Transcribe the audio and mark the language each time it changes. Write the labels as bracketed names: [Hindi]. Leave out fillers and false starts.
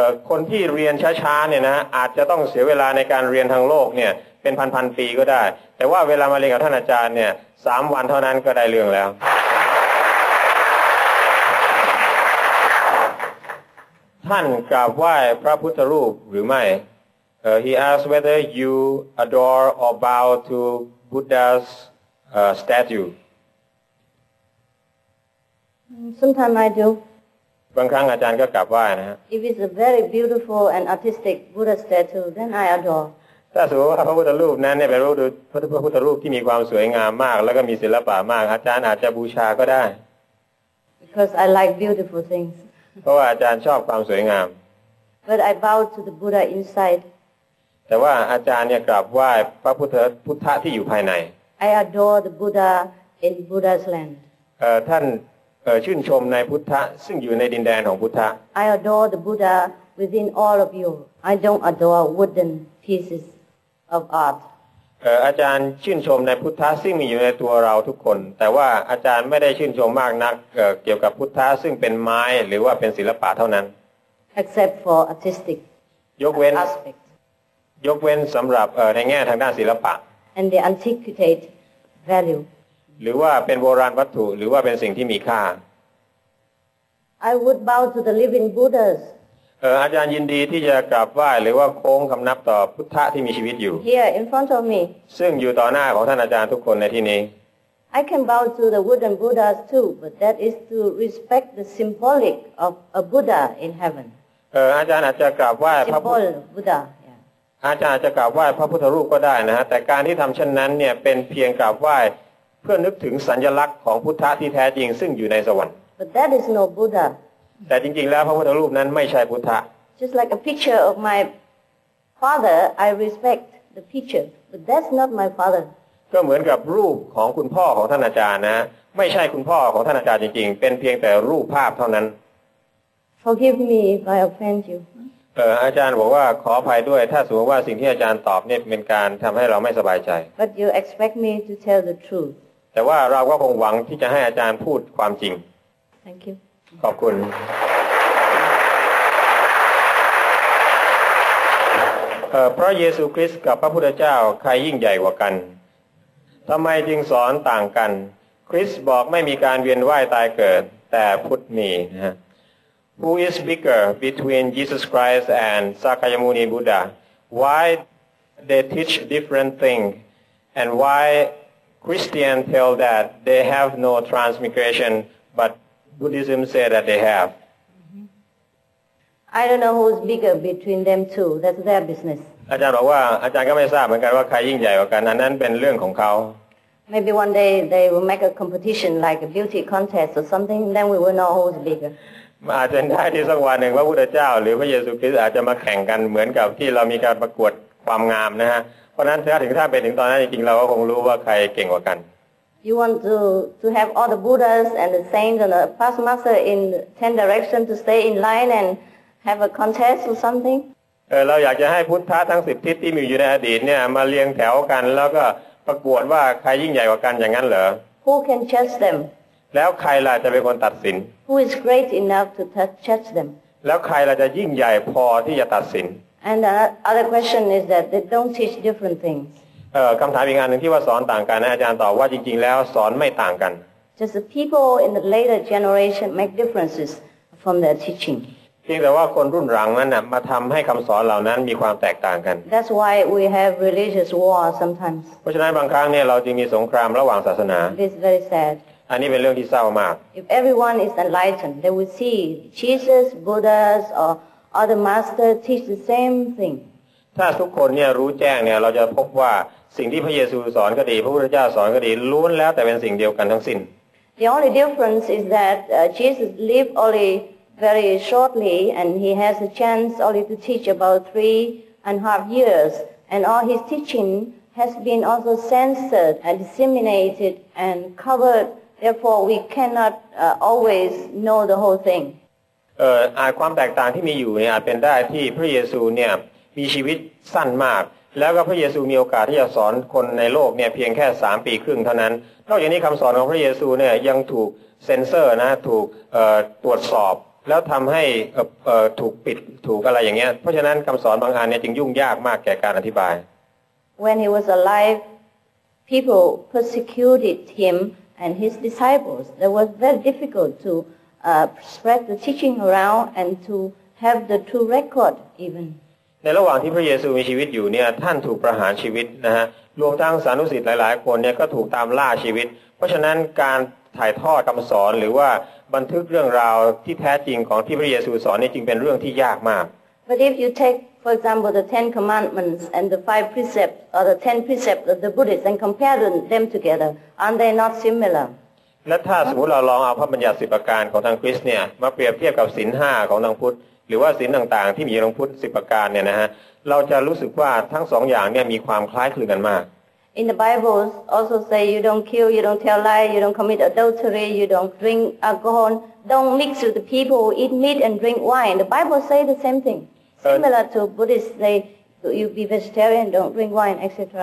[Thai] คนที่เรียนช้าๆเนี่ยนะอาจจะต้องเสียเวลาในการเรียนทางโลกเนี่ยเป็นพันๆปีก็ได้แต่ว่าเวลามาเรียนกับท่านอาจารย์เนี่ย3 วันเท่านั้นก็ได้เรื่องแล้วท่านกราบไหว้พระพุทธรูปหรือไม่ [English] He asked whether you adore or bow to Buddha'sstatue. Sometimes I do. [Thai] บางครั้งอาจารย์ก็กราบไหว้นะฮะ [English] If it's a very beautiful and artistic Buddha statue, then I adore. [Thai] ถ้าสมมติว่าพระพุทธรูปนั้นเนี่ยเป็นพระพุทธรูปที่มีความสวยงามมากแล้วก็มีศิลปะมากอาจารย์อาจจะบูชาก็ได้ [English] Because I like beautiful things. [Thai] เพราะว่าอาจารย์ชอบความสวยงาม [English] But I bow to the Buddha inside. [Thai] แต่ว่าอาจารย์เนี่ยกราบไหว้พระพุทธที่อยู่ภายใน [English] I adore the Buddha in Buddha's land. [Thai] ท่านชื่นชมในพุทธะซึ่งอยู่ในดินแดนของพุทธะ [English] I adore the Buddha within all of you. I don't adore wooden pieces of art. [Thai] อาจารย์ชื่นชมในพุทธะซึ่งมีอยู่ในตัวเราทุกคนแต่ว่าอาจารย์ไม่ได้ชื่นชมมากนักเกี่ยวกับพุทธะซึ่งเป็นไม้หรือว่าเป็นศิลปะเท่านั้น [English] Except for artistic aspect. [Thai] ยกเว้นสำหรับในแง่ทางด้านศิลปะ [English] And the antiquitate value. [Thai] หรือว่าเป็นโบราณวัตถุหรือว่าเป็นสิ่งที่มีค่า [English] I would bow to the living Buddhas. [Thai] อาจารย์ยินดีที่จะกราบไหว้หรือว่าโค้งคำนับต่อพุทธะที่มีชีวิตอยู่ [English] Here in front of me. [Thai] ซึ่งอยู่ต่อหน้าของท่านอาจารย์ทุกคนในที่นี้ [English] I can bow to the wooden Buddhas too, but that is to respect the symbolic of a Buddha in heaven. [Thai] อาจารย์อาจจะกราบไหว้พระ พุทธ Buddha อาจารย์จะกราบไหว้พระพุทธรูปก็ได้นะฮะแต่การที่ทำเช่นนั้นเนี่ยเป็นเพียงกราบไหว้เพื่อนึกถึงสัญลักษณ์ของพุทธะที่แท้จริงซึ่งอยู่ในสวรรค์ [English] But that is no Buddha. [Thai] แต่จริงๆแล้วพระพุทธรูปนั้นไม่ใช่พุทธะ [English] Just like a picture of my father, I respect the picture, but that's not my father. [Thai] ก็เหมือนกับรูปของคุณพ่อของท่านอาจารย์นะไม่ใช่คุณพ่อของท่านอาจารย์จริงๆเป็นเพียงแต่รูปภาพเท่านั้น [English] Forgive me if I offend you. [Thai] อาจารย์บอกว่าขออภัยด้วยถ้าสมมติว่าสิ่งที่อาจารย์ตอบเนี่ยเป็นการทำให้เราไม่สบายใจ [English] But you expect me to tell the truth [Thai] แต่ว่าเราก็คงหวังที่จะให้อาจารย์พูดความจริง [English] Thank you [Thai] ขอบคุณพระเยซูคริสต์กับพระพุทธเจ้าใครยิ่งใหญ่กว่ากันทำไมจึงสอนต่างกันคริสต์บอกไม่มีการเวียนว่ายตายเกิดแต่พุทธมีนะ [English] Who is bigger between Jesus Christ and Sakyamuni Buddha? Why they teach different things? And why Christians tell that they have no transmigration, but Buddhism say that they have? I don't know who is bigger between them two. That's their business. [Thai] อาจารย์บอกว่าอาจารย์ก็ไม่ทราบเหมือนกันว่าใครยิ่งใหญ่กว่ากันอันนั้นเป็นเรื่องของเขา [English] Maybe one day they will make a competition like a beauty contest or something, then we will know who is bigger. [Thai] อาจจะได้ที่สักวันหนึ่งพระพุทธเจ้าหรือพระเยซูคริสต์อาจจะมาแข่งกันเหมือนกับที่เรามีการประกวดความงามนะฮะเพราะฉะนั้นถ้าเป็นถึงตอนนั้นจริงๆเราก็คงรู้ว่าใครเก่งกว่ากัน [English] You want to have all the Buddhas and the saints and the past master in 10 direction to stay in line and have a contest or something [Thai] เราอยากจะให้พุทธะทั้ง10ทิศที่มีอยู่ในอดีตเนี่ยมาเรียงแถวกันแล้วก็ประกวดว่าใครยิ่งใหญ่กว่ากันอย่างนั้นเหรอ [English] Who can judge them [Thai] แล้วใครล่ะจะเป็นคนตัดสิน [English] Who is great enough to judge them? [Thai] แล้วใครล่ะจะยิ่งใหญ่พอที่จะตัดสิน [English] And the other question is that they don't teach different things. [Thai] คำถามอีกอันหนึ่งที่ว่าสอนต่างกันนะอาจารย์ตอบว่าจริงๆแล้วสอนไม่ต่างกัน [English] Just the people in the later generation make differences from their teaching. [Thai] เพียงแต่ว่าคนรุ่นหลังนั้นน่ะมาทำให้คำสอนเหล่านั้นมีความแตกต่างกัน [English] That's why we have religious war sometimes. [Thai] เพราะฉะนั้นบางครั้งเนี่ยเราจึงมีสงครามระหว่างศาสนา [English] This is very sad. [Thai] อันนี้เป็นเรื่องที่เศร้ามาก [English] If everyone is enlightened they would see Jesus Buddhas or other masters teach the same thing [Thai] ถ้าทุกคนเนี่ยรู้แจ้งเนี่ยเราจะพบว่าสิ่งที่พระเยซูสอนก็ดีพระพุทธเจ้าสอนก็ดีล้วนแล้วแต่เป็นสิ่งเดียวกันทั้งสิ้น [English] The only difference is that Jesus lived only very shortly and he has a chance only to teach about 3.5 years and all his teachingHas been also censored and disseminated and covered. Therefore, we cannot always know the whole thing. [Thai] ความแตกต่างที่มีอยู่เนี่ยเป็นได้ที่พระเยซูเนี่ยมีชีวิตสั้นมากแล้วก็พระเยซูมีโอกาสที่จะสอนคนในโลกเนี่ยเพียงแค่3ปีครึ่งเท่านั้นนอกจากนี้คำสอนของพระเยซูเนี่ยยังถูกเซ็นเซอร์นะถูกตรวจสอบแล้วทำให้ถูกปิดถูกอะไรอย่างเงี้ยเพราะฉะนั้นคำสอนบางอันเนี่ยจึงยุ่งยากมากแก่การอธิบาย [English] When he was alive, people persecuted him and his disciples. It was very difficult to spread the teaching around and to have the true record even. [Thai] ในระหว่างที่พระเยซูมีชีวิตอยู่เนี่ยท่านถูกประหารชีวิตนะฮะรวมทั้งสานุสิทธิ์หลายๆคนเนี่ยก็ถูกตามล่าชีวิตเพราะฉะนั้นการถ่ายทอดคำสอนหรือว่าบันทึกเรื่องราวที่แท้จริงของที่พระเยซูสอนเนี่ยจึงเป็นเรื่องที่ยากมาก [English] But if you takeFor example, the Ten Commandments and the Five Precepts, or the Ten Precepts of the Buddhists, and compare them together, aren't they not similar? [Thai] และถ้าสมมุติเราลองเอาพระบัญญัติสิบประการของทางคริสต์เนี่ยมาเปรียบเทียบกับศีลห้าของทางพุทธหรือว่าศีลต่างๆที่มีในทางพุทธสิบประการเนี่ยนะฮะเราจะรู้สึกว่าทั้งสองอย่างเนี่ยมีความคล้ายคลึงกันมาก [English] In the Bible, also say you don't kill, you don't tell lies, you don't commit adultery, you don't drink alcohol, don't mix with the people, eat meat and drink wine. The Bible say the same thing. Similar to Buddhists, they you be vegetarian, don't drink wine, etc.